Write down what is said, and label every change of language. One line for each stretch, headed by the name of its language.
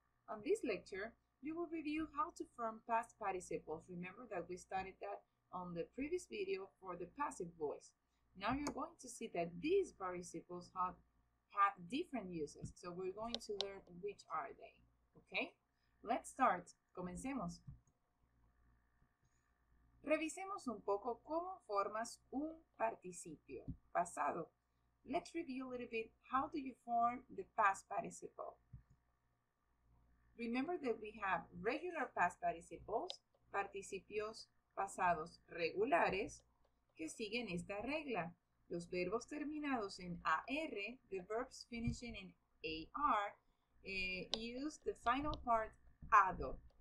English: On this lecture, we will review how to form past participles. Remember that we studied that on the previous video for the passive voice. Now you're going to see that these participles have different uses. So we're going to learn which are they. Okay? Let's start.
Spanish: Comencemos. Revisemos un poco cómo formas un participio pasado.
English: Let's review a little bit how do you form the past participle. Remember that we have regular past participles,
Spanish: participios pasados regulares, que siguen esta regla. Los verbos terminados en AR,
English: the verbs finishing in AR, use the final part ado.